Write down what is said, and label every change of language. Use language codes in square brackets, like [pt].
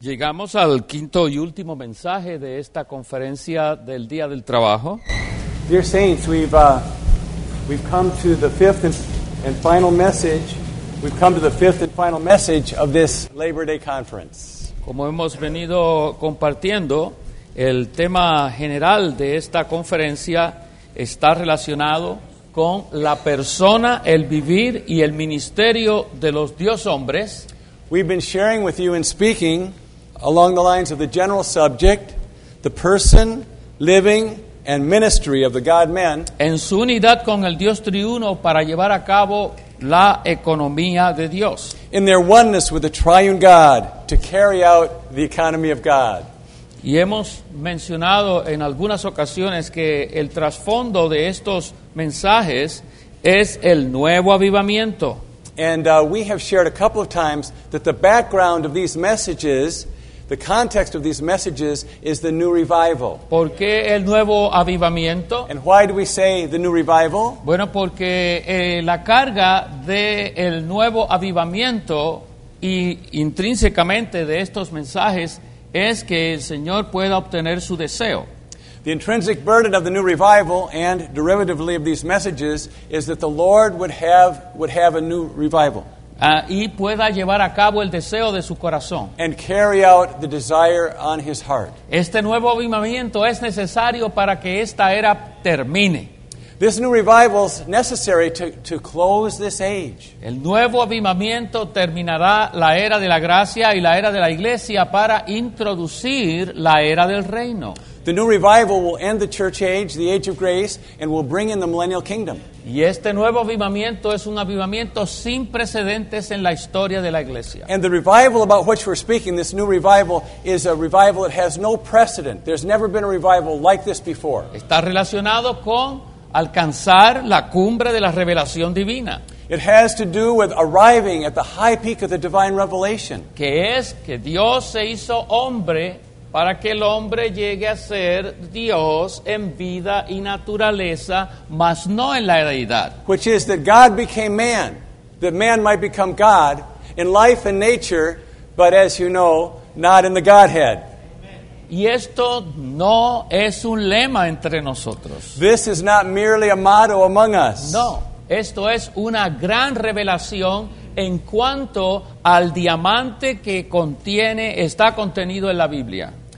[es] Llegamos al quinto y último mensaje de esta conferencia del Día del Trabajo. [en] Dear saints, we've come to the fifth and final message. We've come to the fifth and final message of this Labor Day conference. [es] Como hemos venido compartiendo, el tema general de esta conferencia está relacionado con la persona, el vivir y el ministerio de los Dios hombres. [en] We've been sharing with you and speaking along the lines of the general subject, the person, living, and ministry of the God-man. [es] En su unidad con el Dios triuno para llevar a cabo la economía de Dios. [en] In their oneness with the triune God to carry out the economy of God. [es] Y hemos mencionado en algunas ocasiones que el trasfondo de estos mensajes es el nuevo avivamiento. [en] And we have shared a couple of times that the background of these messages, the context of these messages, is the new revival. [es] ¿Por qué el nuevo avivamiento? [en] And why do we say the new revival? [es] Bueno, porque la carga del nuevo avivamiento y intrínsecamente de estos mensajes es que el Señor pueda obtener su deseo. [en] The intrinsic burden of the new revival and derivatively of these messages is that the Lord would have a new revival. [es] Y pueda llevar a cabo el deseo de su corazón. [en] And carry out the desire on his heart. [es] Este nuevo avivamiento es necesario para que esta era termine. [en] This new revival is necessary to close this age. [es] El nuevo avivamiento terminará la era de la gracia y la era de la iglesia para introducir la era del reino. [en] The new revival will end the church age, the age of grace, and will bring in the millennial kingdom. [es] Y este nuevo avivamiento es un avivamiento sin precedentes en la historia de la iglesia. [en] And the revival about which we're speaking, this new revival, is a revival that has no precedent. There's never been a revival like this before. [es] Está relacionado con alcanzar la cumbre de la revelación divina. [en] It has to do with arriving at the high peak of the divine revelation. [es] Que es que Dios se hizo hombre para que el hombre llegue a ser Dios en vida y naturaleza, mas no en la deidad. [en] Which is that God became man, that man might become God, in life and nature, but as you know, not in the Godhead. [es] Y esto no es un lema entre nosotros. [en] This is not merely a motto among us. [es] No, esto es una gran revelación en cuanto al diamante que contiene, está contenido en la Biblia.